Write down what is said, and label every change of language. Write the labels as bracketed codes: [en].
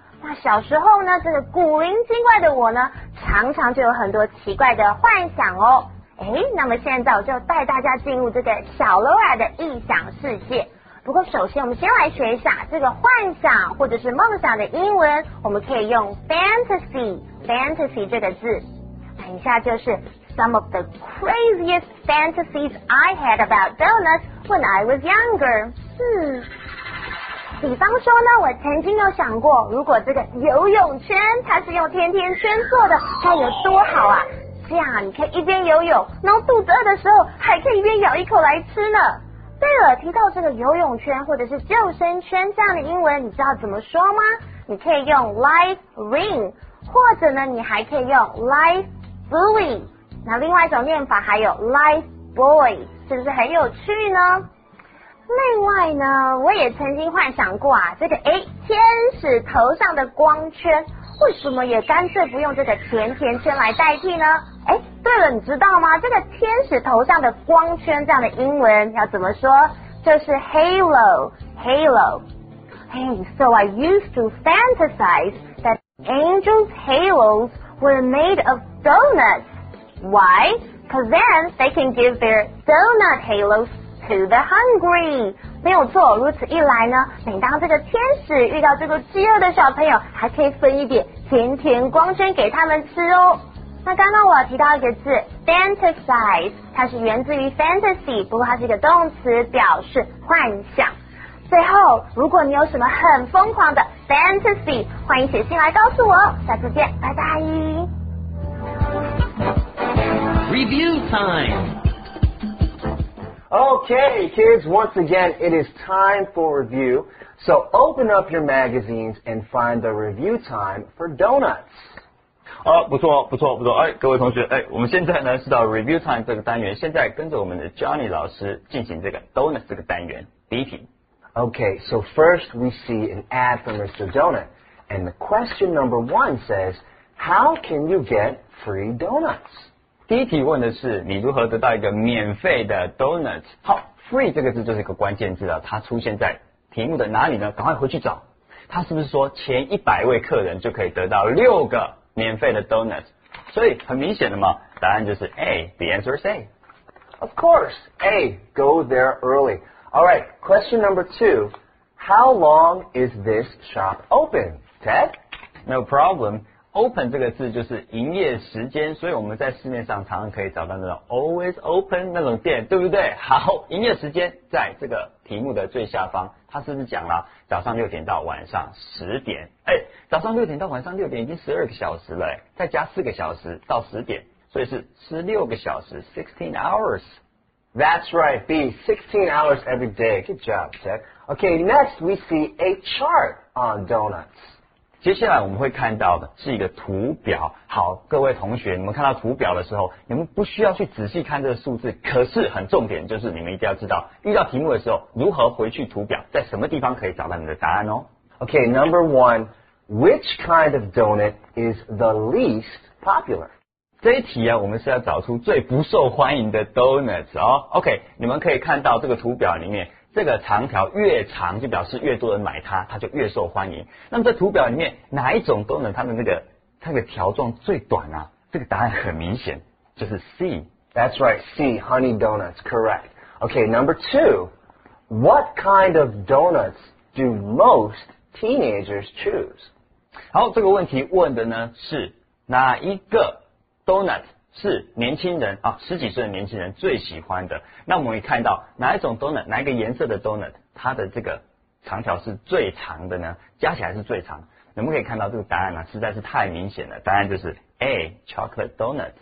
[zh] 那小时候呢，这个古灵精怪的我呢，常常就有很多奇怪的幻想哦。哎，那么现在我就带大家进入这个小罗拉的异想世界。不过首先我们先来学一下这个幻想或者是梦想的英文，我们可以用 fantasy， fantasy 这个字。等一下就是 [en] some of the craziest fantasies I had about donuts when I was younger。 [zh] 比方说呢，我曾经有想过，如果这个游泳圈它是用甜甜圈做的，该有多好啊！这样你可以一边游泳，然后肚子饿的时候还可以一边咬一口来吃呢。对了，提到这个游泳圈或者是救生圈这样的英文，你知道怎么说吗？你可以用 life ring， 或者呢，你还可以用 life。 Buoy， 那另外一种念法还有 life buoy， 是不是很有趣呢？另外呢，我也曾经幻想过啊，这个天使头上的光圈，为什么也干脆不用这个甜甜圈来代替呢？对了，你知道吗？这个天使头上的光圈这样的英文要怎么说？就是 [en] halo， halo。 Hey， so I used to fantasize that angels' halos were made of donuts. Why? Because then they can give their donut halos to the hungry. [zh] 没有错，如此一来呢，每当这个天使遇到这个饥饿的小朋友，还可以分一点甜甜光圈给他们吃哦。那刚刚我提到一个字 fantasize， 它是源自于 fantasy， 不过它是一个动词，表示幻想。最后，如果你有什么很疯狂的 fantasy， 欢迎写信来告诉我。下次见，拜拜。 [en] Review time. Okay, kids, once again, it is time for review. So open up your magazines and find the review time for donuts. [zh] 啊，不错，不错，不错。哎，各位同学，哎，我们现在呢是到 review time 这个单元，现在跟着我们的 Johnny 老师进行这个 donuts 这个单元第一题。 [en] Okay, so first we see an ad for Mr. Donut, and the question number one says, how can you get free donuts? [zh] 第一题问的是你如何得到一个免费的 donuts? 好， free 这个字就是一个关键字了，它出现在题目的哪里呢？赶快回去找，它是不是说前100位客人就可以得到6个免费的 donuts? 所以很明显的嘛，答案就是 A, [en] the answer is A. Of course, A, go there early. Alright, question number two. How long is this shop open? Ted? No problem. [zh] Open 这个字就是营业时间，所以我们在市面上常常可以找到那种 always open 那种店，对不对？好，营业时间在这个题目的最下方，它是不是讲了早上6点到晚上10点？早上6点到晚上6点已经12个小时了，再加4个小时到10点，所以是16个小时 , [en] 16 hours. That's right, B, 16 hours every day. Good job, Ted. Okay, next we see a chart on donuts. [zh] 接下来我们会看到的是一个图表。好，各位同学，你们看到图表的时候，你们不需要去仔细看这个数字，可是很重点就是你们一定要知道，遇到题目的时候，如何回去图表，在什么地方可以找到你的答案哦。 [en] Okay, number one, which kind of donut is the least popular? [zh] 这一题啊，我们是要找出最不受欢迎的 donuts 哦。 OK， 你们可以看到这个图表里面，这个长条越长就表示越多人买它，它就越受欢迎。那么在图表里面，哪一种 donut 它的那个条状最短啊？这个答案很明显，就是 C。 [en] That's right, C, honey donuts, correct. OK, number two, what kind of donuts do most teenagers choose? [zh] 好，这个问题问的呢是哪一个？Donut 是年轻人啊，十几岁的年轻人最喜欢的。那我们会看到哪一种 donut， 哪一个颜色的 donut， 它的这个长条是最长的呢？加起来是最长。我们可以看到这个答案呢、啊，实在是太明显了。答案就是 A， chocolate donut。